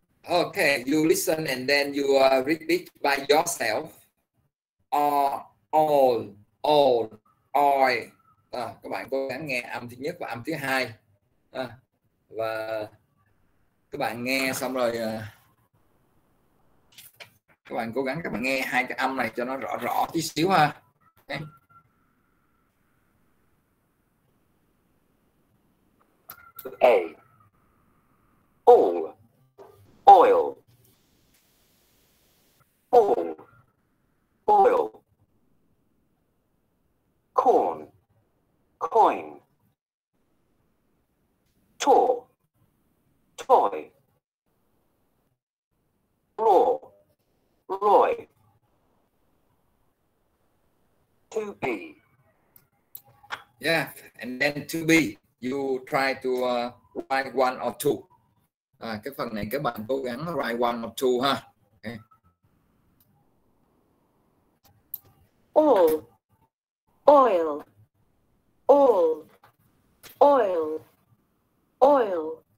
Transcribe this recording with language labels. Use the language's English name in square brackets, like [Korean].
[English] Okay, you listen and then you repeat by yourself. All. Oi. [Vietnamese] Các bạn cố gắng nghe âm thứ nhất và âm thứ hai. Và các bạn nghe xong rồi các bạn cố gắng các bạn nghe hai cái âm này cho nó rõ rõ tí xíu ha. A. [English] All. Oil. All. Oil. Corn. Coin. Tour. Toy. Raw. Roy. 2B. Yeah, and then 2B, you try to write one or two. [Vietnamese] Cái phần này các bạn cố gắng [English] write one or two [Vietnamese] ha. [English] Okay. All. Oil. All. Oil. Oil.